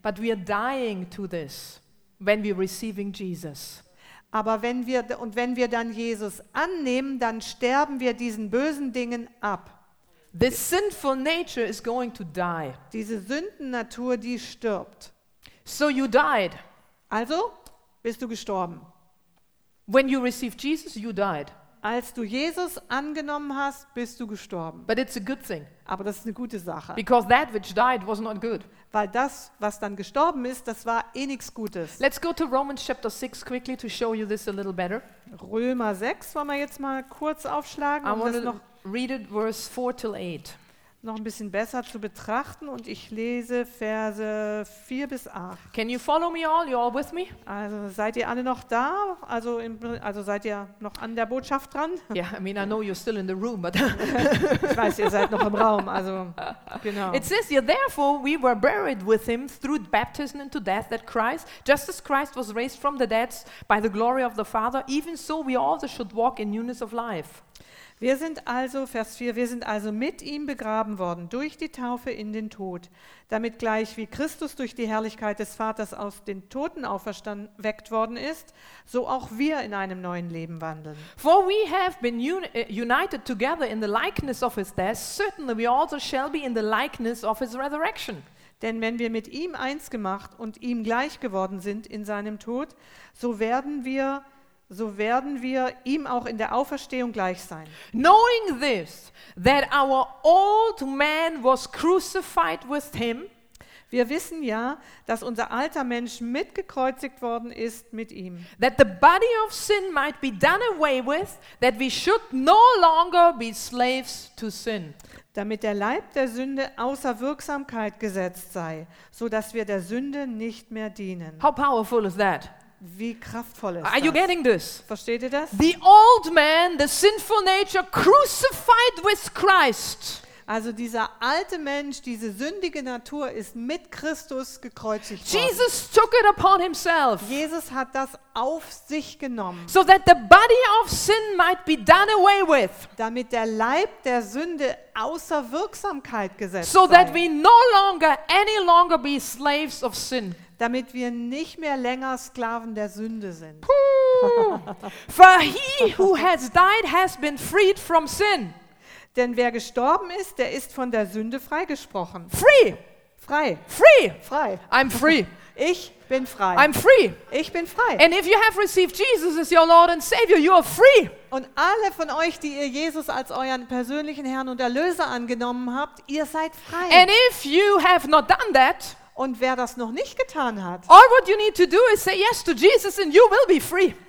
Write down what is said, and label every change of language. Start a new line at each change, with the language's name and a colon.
English: But we are dying to this when we're receiving Jesus.
German: Aber wenn wir dann Jesus annehmen, dann sterben wir diesen bösen Dingen ab.
English: This sinful nature is going to die.
German: Diese Sündennatur, die stirbt.
English: So you died.
German: Also bist du gestorben.
English: When you received Jesus, you died.
German: Als du Jesus angenommen hast, bist du gestorben.
English: But it's a good thing.
German: Aber das ist eine gute Sache.
English: Because that which died was not good.
German: Weil das, was dann gestorben ist, das war eh nichts Gutes.
English: Let's go to Romans chapter 6 quickly to show you this a little better.
German: Römer 6 wollen wir jetzt mal kurz aufschlagen.
English: I want to read it verse 4 till 8.
German: Noch ein bisschen besser zu betrachten und ich lese Verse 4 bis 8.
English: Can you follow me all? You all with me?
German: Also seid ihr alle noch da? Also seid ihr noch an der Botschaft dran?
English: Yeah, I mean I know you're still in the room, but
German: ich weiß, ihr seid noch im Raum. Also genau.
English: It says, therefore we were buried with him through baptism into death, that Christ, just as Christ was raised from the dead by the glory of the Father, even so we also should walk in newness of life.
German: Wir sind also, Vers 4, wir sind also mit ihm begraben worden, durch die Taufe in den Tod, damit gleich wie Christus durch die Herrlichkeit des Vaters aus den Toten auferweckt worden ist, so auch wir in einem neuen Leben wandeln.
English: For we have been united together in the likeness of his death, certainly we also shall be in the likeness of his resurrection.
German: Denn wenn wir mit ihm eins gemacht und ihm gleich geworden sind in seinem Tod, so werden wir ihm auch in der Auferstehung gleich sein.
English: Knowing this, that our old man was crucified with him.
German: Wir wissen ja, dass unser alter Mensch mitgekreuzigt worden ist mit ihm.
English: That the body of sin might be done away with, that we should no longer be slaves to sin.
German: Damit der Leib der Sünde außer Wirksamkeit gesetzt sei, so dass wir der Sünde nicht mehr dienen.
English: How powerful is that?
German: Wie kraftvoll ist
English: das? Are you getting this?
German: Versteht ihr das?
English: The old man, the sinful nature crucified with Christ.
German: Also dieser alte Mensch, diese sündige Natur ist mit Christus gekreuzigt worden.
English: Jesus took it upon himself.
German: Jesus hat das auf sich genommen.
English: So that the body of sin might be done away with.
German: Damit der Leib der Sünde außer Wirksamkeit gesetzt
English: sei. So that we no longer any longer be slaves of sin.
German: Damit wir nicht mehr länger Sklaven der Sünde sind.
English: For he who has died has been freed from sin.
German: Denn wer gestorben ist, der ist von der Sünde freigesprochen.
English: Free.
German: Frei.
English: Free.
German: Frei.
English: I'm free.
German: Ich bin frei.
English: I'm free.
German: Ich bin frei.
English: And if you have received Jesus as your Lord and Savior, you are free.
German: Und alle von euch, die ihr Jesus als euren persönlichen Herrn und Erlöser angenommen habt, ihr seid frei.
English: And if you have not done that,
German: und wer das noch nicht getan hat,
English: all what you need to do is say yes to Jesus and you will be free.